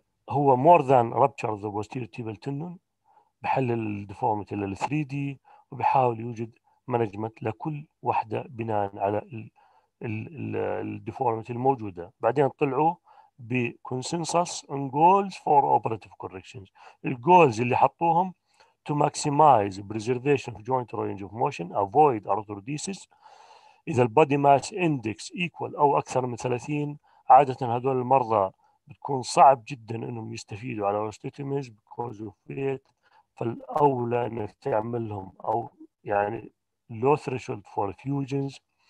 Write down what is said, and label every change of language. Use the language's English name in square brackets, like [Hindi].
[Arabic] هو more than rupture of the posterior tibial tendon بحلل الديفورميتي لل 3D وبحاول يوجد مانجمنت لكل واحدة بناء على الديفورميتي الموجودة. بعدين طلعوا [English] بconsensus and goals for operative corrections. الgoals [Arabic] اللي حطوهم [English] to maximize preservation of joint range of motion, avoid arthrodesis. [Arabic] إذا body mass index equal أو أكثر من 30 عادة هذول المرضى بتكون صعب جدا إنهم يستفيدوا على osteotomies [English] because of weight. [Arabic] فالأولى إنك تعملهم أو يعني [English] low threshold for fusions.